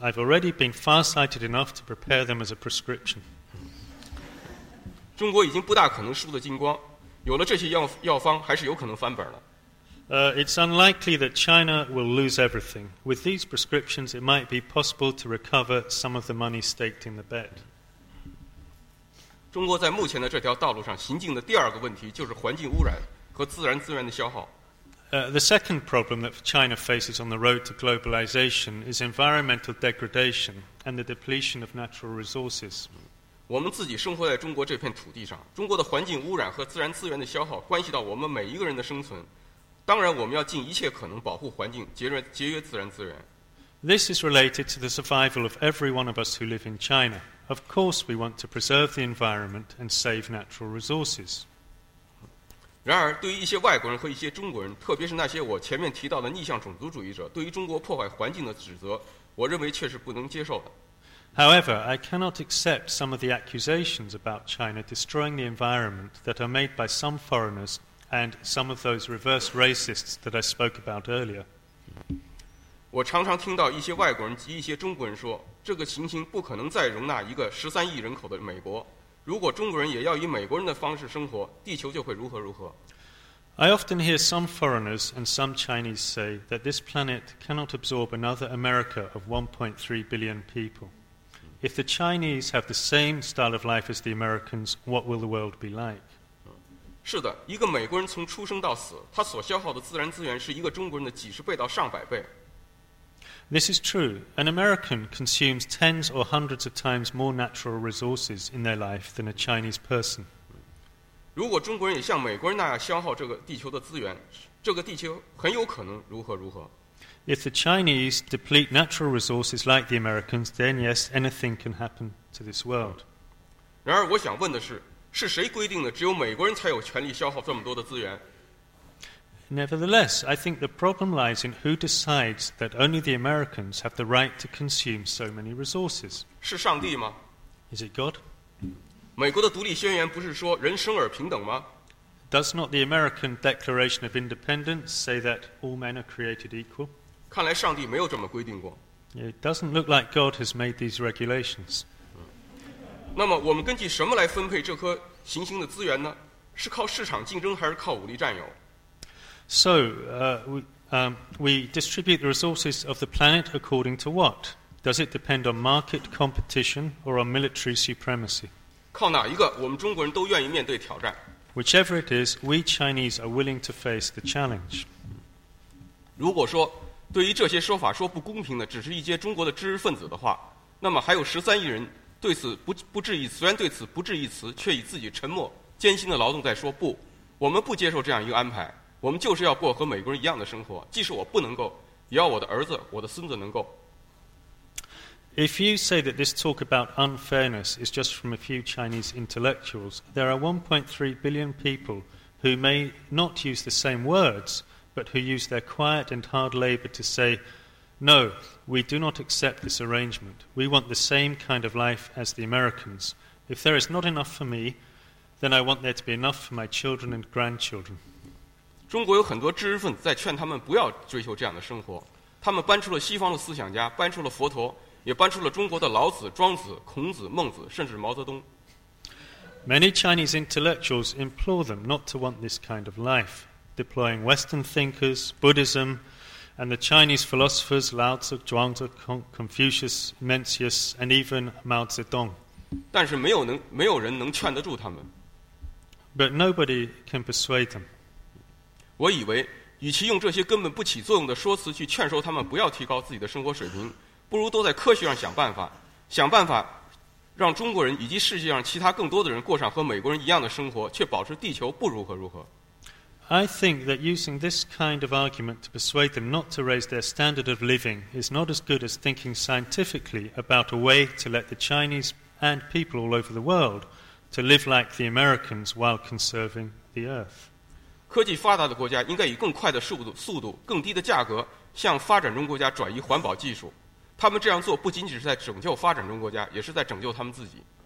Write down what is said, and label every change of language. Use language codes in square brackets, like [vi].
[en] I've already been far-sighted enough to prepare them as a prescription. [zh] 中国已经不大可能输得精光，有了这些药方还是有可能翻本了。 [en] It's unlikely that China will lose everything. With these prescriptions, it might be possible to recover some of the money staked in the bet. [zh] 中国在目前的这条道路上行进的第二个问题就是环境污染和自然资源的消耗。 [en] The second problem that China faces on the road to globalization is environmental degradation and the depletion of natural resources. [zh] 我们自己生活在中国这片土地上，中国的环境污染和自然资源的消耗关系到我们每一个人的生存。当然，我们要尽一切可能保护环境，节约自然资源。 [en] This is related to the survival of every one of us who live in China. Of course, we want to preserve the environment and save natural resources. [zh] 然而对于一些外国人和一些中国人，特别是那些我前面提到的逆向种族主义者，对于中国破坏环境的指责，我认为却是不能接受的。 [en] However, I cannot accept some of the accusations about China destroying the environment that are made by some foreigners and some of those reverse racists that I spoke about earlier. [zh] 我常常听到一些外国人及一些中国人说，这个情形不可能再容纳一个13亿人口的美国，如果中国人也要以美国人的方式生活，地球就会如何如何。 [en] I often hear some foreigners and some Chinese say that this planet cannot absorb another America of 1.3 billion people. If the Chinese have the same style of life as the Americans, what will the world be like? [zh] 是的，一个美国人从出生到死，他所消耗的自然资源是一个中国人的几十倍到上百倍。 [en] This is true. An American consumes tens or hundreds of times more natural resources in their life than a Chinese person. [zh] 如果中国人也像美国人那样消耗这个地球的资源，这个地球很有可能如何如何。 [en] If the Chinese deplete natural resources like the Americans, then yes, anything can happen to this world. [zh] 然而我想问的是，是谁规定的只有美国人才有权利消耗这么多的资源？ [en] Nevertheless, I think the problem lies in who decides that only the Americans have the right to consume so many resources. [zh] 是上帝吗？ [en] Is it God? [zh] 美国的独立宣言不是说人生而平等吗？ [en] Does not the American Declaration of Independence say that all men are created equal? [zh] 看来上帝没有这么规定过。 [en] It doesn't look like God has made these regulations. [zh] 那么我们根据什么来分配这颗行星的资源呢？是靠市场竞争还是靠武力占有？ [en] So, we distribute the resources of the planet according to what? Does it depend on market competition or on military supremacy? [zh] 靠哪一个，我们中国人都愿意面对挑战。 [en] Whichever it is, we Chinese are willing to face the challenge. [zh] 如果说对于这些说法说不公平的只是一些中国的知识分子的话，那么还有13亿人对此不置一词，虽然对此不置一词，却以自己沉默艰辛的劳动在说不，我们不接受这样一个安排。我们就是要过和美国人一样的生活，即使我不能够，也要我的儿子、我的孙子能够。 [en] If you say that this talk about unfairness is just from a few Chinese intellectuals, there are 1.3 billion people who may not use the same words, but who use their quiet and hard labor to say, "No, we do not accept this arrangement. We want the same kind of life as the Americans. If there is not enough for me, then I want there to be enough for my children and grandchildren." [zh] 中国有很多知识分子在劝他们不要追求这样的生活，他们搬出了西方的思想家，搬出了佛陀，也搬出了中国的老子、庄子、孔子、孟子，甚至毛泽东。 [en] Many Chinese intellectuals implore them not to want this kind of life, deploying Western thinkers, Buddhism, and the Chinese philosophers Lao Tzu, Zhuangzi, Confucius, Mencius, and even Mao Zedong. [zh] 但是没有人能劝得住他们。 [en] But nobody can persuade them. [zh] 我以为，与其用这些根本不起作用的说辞去劝说他们不要提高自己的生活水平，不如都在科学上想办法让中国人以及世界上其他更多的人过上和美国人一样的生活，却保持地球不如何如何。 [en] I think that using this kind of argument to persuade them not to raise their standard of living is not as good as thinking scientifically about a way to let the Chinese and people all over the world to live like the Americans while conserving the earth. [zh] 科技发达的国家应该以更快的速度、更低的价格向发展中国家转移环保技术。他们这样做不仅仅是在拯救发展中国家，也是在拯救他们自己。